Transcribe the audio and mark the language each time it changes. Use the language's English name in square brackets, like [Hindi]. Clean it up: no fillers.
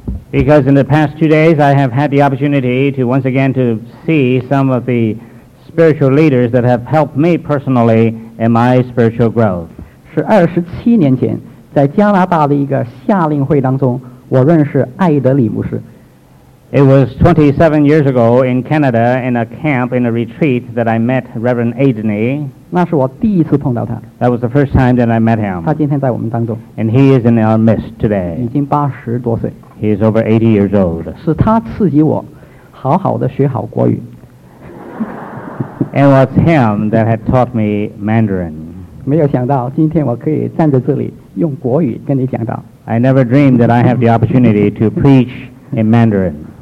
[English] Because in the past 2 days, I have had the opportunity to once again to see some of the spiritual leaders that have helped me personally in my spiritual growth. [Chinese] 是27年前, 在加拿大的一个夏令会当中, 我认识艾德里牧师。 [English] It was 27 years ago in Canada in a camp, in a retreat, that I met Reverend Aidney. [Chinese] 那是我第一次碰到他。 [English] That was the first time that I met him. [Chinese] 他今天在我们当中。 [English] And he is in our midst today. [Chinese] 已经80多岁。 [English] He is over 80 years old. [Chinese] 是他刺激我好好地学好国语。 [English] And it was him that had taught me Mandarin. [Chinese] 没有想到今天我可以站在这里用国语跟你讲道。 [English] I never dreamed that I have the opportunity to preach in Mandarin.